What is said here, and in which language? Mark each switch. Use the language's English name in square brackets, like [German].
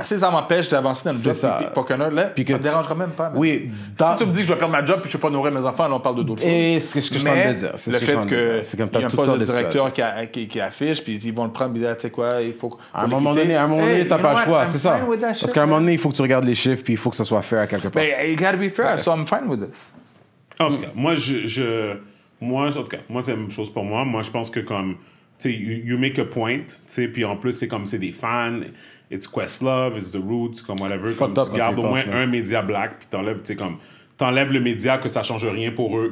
[French] Si ça m'empêche d'avancer dans le job, pas qu'un autre, là, ça me dérangera même pas. Oui, si tu me dis que je vais perdre ma job puis je ne vais pas nourrir mes enfants, là, on parle de d'autres choses. Et ce que je t'en ai dit, c'est le fait qu'il y a un poste de directeur qui affiche, puis ils vont le prendre, puis ils disent, tu sais quoi, il faut. À un moment donné, t'as pas le choix, c'est ça. Parce qu'à un moment donné, il faut que tu regardes les chiffres, puis il faut que ça soit fair à quelque part. Mais [English] it gotta be fair, so I'm fine with this. [French] En tout cas, moi, c'est la même chose pour moi. Moi, je pense que comme. T'sais, [English] you make a point, [French] t'sais, puis en plus, c'est comme c'est des fans, [English] it's Questlove, it's The Roots, [French] comme whatever. C'est comme [English] fucked [French] tu gardes au moins un média black, puis t'enlèves, t'sais, comme, t'enlèves le média que ça change rien pour eux.